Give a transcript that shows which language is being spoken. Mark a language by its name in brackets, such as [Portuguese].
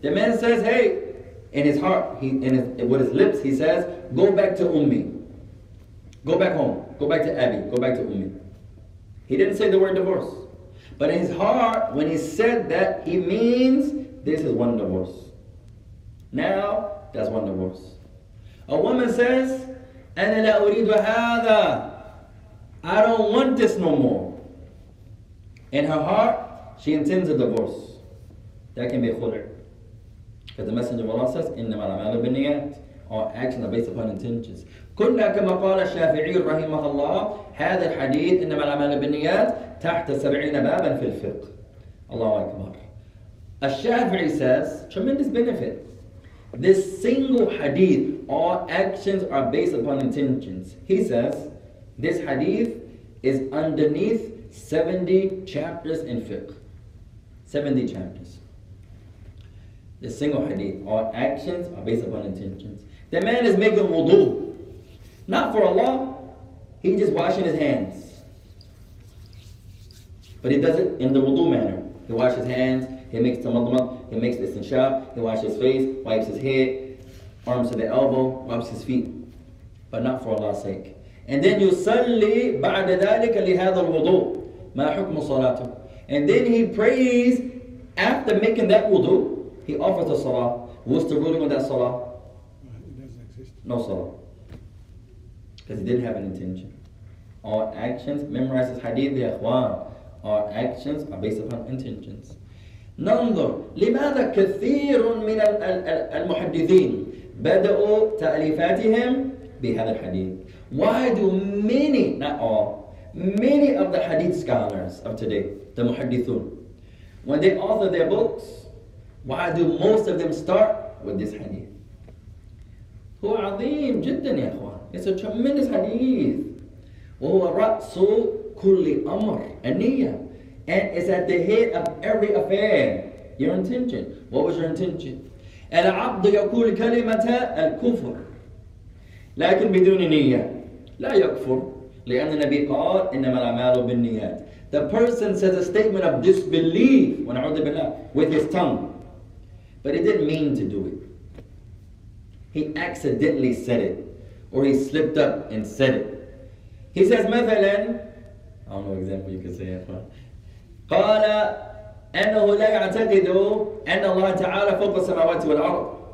[English] The man says, hey, in his heart, with his lips, he says, go back to Ummi. Go back home. Go back to Abby. Go back to Ummi. He didn't say the word divorce. But in his heart, when he said that, he means, this is one divorce. Now, that's one divorce. [Arabic] A woman says, أَنَا لَا أُرِيدُ هَذَا. [English] I don't want this no more. In her heart, she intends a divorce. That can be khudr. Because the Messenger of Allah says, [Arabic] إِنَّمَا الْعَمَالُ بِالنِّيَاتِ. [English] All actions are based upon intentions. [Arabic] كُنَّا كَمَا قَالَ الشَّافِعِيُّ رَحِمَهَ اللَّهُ هَذَا الْحَدِيثِ إِنَّمَا الْعَمَالُ بِالنِّيَاتِ تَحْتَ سَبْعِينَ بَابًا فِي الْفِقْهِ. Allahu Akbar. [English] الشَّافِعِي says, tremendous benefit. This single hadith, all actions are based upon intentions. He says, this hadith is underneath 70 chapters in fiqh. 70 chapters. The single hadith, all actions are based upon intentions. The man is making wudu. Not for Allah. He's just washing his hands. But he does it in the wudu manner. He washes hands, he makes tamadmad, he makes istinshaq, he washes his face, wipes his head, arms to the elbow, wipes his feet. But not for Allah's sake. [Arabic] And then يصلي بعد ذلك لهذا الوضوء ما حكم صلاته. [English] And then he prays after making that wudu. He offers a salah. What's the ruling of that salah? It doesn't exist. No salah. Because he didn't have an intention. Our actions, memorize this hadith, ya akhwan. Our actions are based upon intentions. [Arabic] ننظر لماذا كثير من المحدثين بدأوا تأليفاتهم بهذا الحديث. [English] Why do many, not all, many of the hadith scholars of today, the muhaddithun, when they author their books, why do most of them start with this hadith? [Arabic] هو عظيم جدا يا أخوان. [English] It's a tremendous hadith. [Arabic] وهو رأس كل أمر النية. [English] And it's at the head of every affair. Your intention. What was your intention? [Arabic] العبد يقول كلمة الكفر لكن بدون نية لا يكفر لأن النبي قال إنما الأعمال بالنيات. [English] The person says a statement of disbelief [Arabic] ونعوذ بالله [English] with his tongue, but he didn't mean to do it. He accidentally said it, or he slipped up and said it. He says مثلا, I don't know example you can say it, but [Arabic] قال أنه لا يعتقد أن الله تعالى فوق السماوات والأرض.